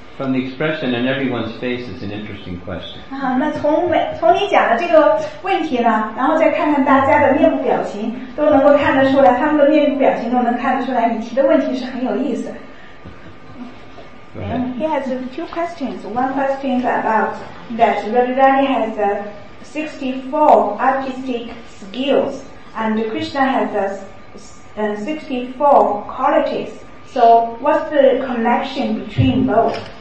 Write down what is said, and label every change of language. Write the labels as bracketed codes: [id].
[en] From the expression on everyone's face, it's an interesting question. [zh] 那从你讲的这个问题呢，然后再看看大家的面部表情，都能够看得出来，他们的面部表情都能看得出来，你提的问题是很有意思。 [en] He has a few questions. One question is about that Radharani has a 64 artistic skills and Krishna has a 64 qualities. So what's the connection between both?